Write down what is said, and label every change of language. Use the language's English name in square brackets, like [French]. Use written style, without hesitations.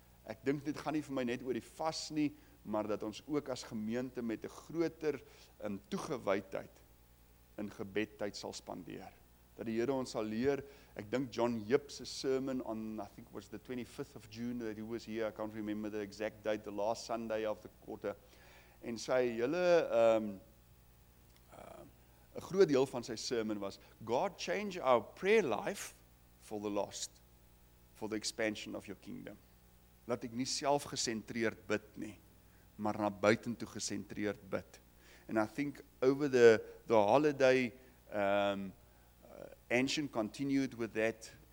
[Afrikaans] Ek dink dit gaan nie vir my net oor die vas nie, maar dat ons ook as gemeente met 'n groter toegewydheid in gebedtyd sal spandeer. Dat die Here ons sal leer. Ek dink [English] John Yip se sermon on, I think it was the 25th of June that he was here, I can't remember the exact date, the last Sunday of the quarter, [Afrikaans] en sy hele 'n groot deel van sy sermon was, [English] God change our prayer life for the lost, for the expansion of your kingdom. [Afrikaans] Laat ek nie self gesentreerd bid nie, maar na buitentoe gesentreerd bid. [English] And I think over the holiday, Anshin continued with that.